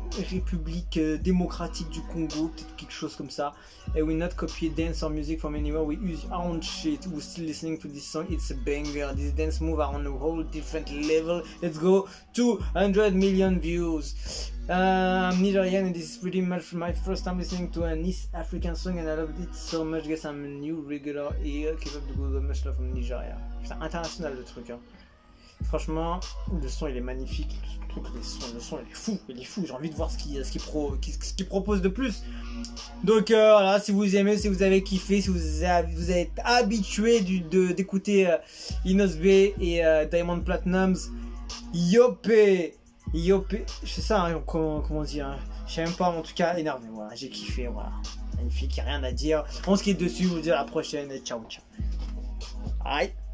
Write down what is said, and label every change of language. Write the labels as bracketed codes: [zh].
[fr] République démocratique du Congo, peut-être quelque chose comme ça. [en] And we not copy dance or music from anywhere, we use our own shit. We're still listening to this song, it's a banger. This dance move are on a whole different level. Let's go, 200 million views. I'm Nigerian and this is pretty much my first time listening to an East African song and I loved it so much. Guess I'm a new regular here. Keep up the good, much love from Nigeria. [fr] Putain, international le truc, hein. Franchement, le son il est magnifique, le son il est fou, j'ai envie de voir ce qu'il propose de plus. Donc voilà, si vous aimez, si vous avez kiffé, si vous êtes habitué d'écouter Inos B et Diamond Platinums, yopé, c'est ça, hein, comment dire, je sais même pas, en tout cas, énervé, voilà, j'ai kiffé, voilà, magnifique, y a rien à dire, on se quitte dessus, je vous dis à la prochaine, et ciao, bye.